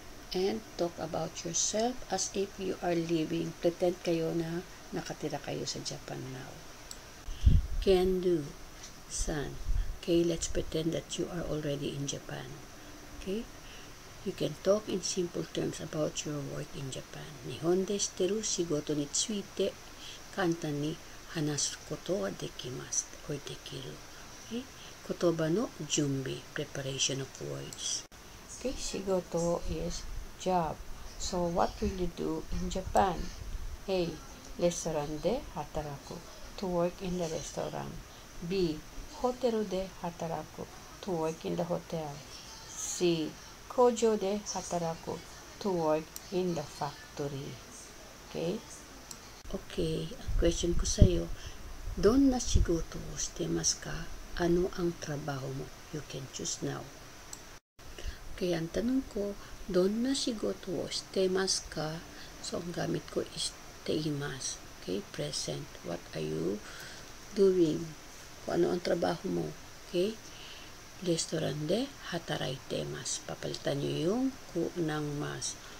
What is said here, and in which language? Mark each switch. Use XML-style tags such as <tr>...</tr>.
<en>And talk about yourself as if you are living.</en> <tl>Pretend kayo na nakatira kayo sa Japan now. Kendo, son.</tl> <en>Okay, let's pretend that you are already in Japan. Okay? You can talk in simple terms about your work in Japan.</en> <ja>日本でしてる仕事について簡単に話すことはできます。これできる。Okay? 言葉の準備、</ja> <en>preparation of words. Okay, 仕事 is job. So what will you do in Japan? A.</en> <ja>レストランで働く。</ja> <en>To work in the restaurant. B.</en> <ja>ホテルで働く。</ja> <en>To work in the hotel. C.</en> <ja>工場で働く</ja> <en>to work in the factory. Okay?</en> <tl>Okay, a question ko sa'yo.</tl> <ja>どんな仕事をしてますか？</ja> <tl>ano ang trabaho mo?</tl> <en>You can choose now.</en> <tl>Okay, ang tanong ko,</tl> <ja>どんな仕事をしてますか？</ja> <tl>So, ang gamit ko isています.Okay, present.</tl> <en>What are you doing?</en> <tl>Kung ano ang trabaho mo?</tl> <en>Okay?</en> <ja>レストランで働いてます。</ja> <tl>papalitan niyo yung ku ng mas.</tl>